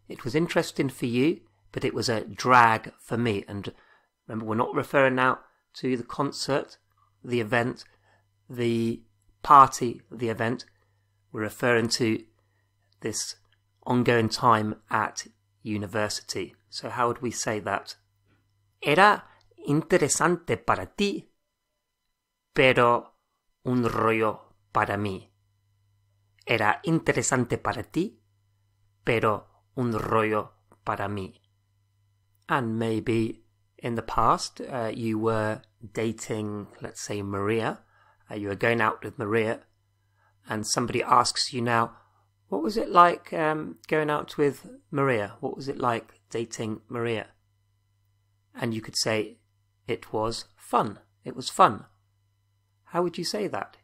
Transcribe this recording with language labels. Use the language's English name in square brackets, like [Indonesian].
[English] It was interesting for you, but it was a drag for me. And remember, we're not referring now to the concert, the event, the party, the event. We're referring to this ongoing time at university. So how would we say that? [Spanish] Era interesante para ti, pero un rollo para mí. Era interesante para ti, pero un rollo para mí. [English] And maybe in the past, you were dating, let's say, Maria. You were going out with Maria, and somebody asks you now, what was it like going out with Maria? What was it like dating Maria? And you could say, it was fun. It was fun. How would you say that?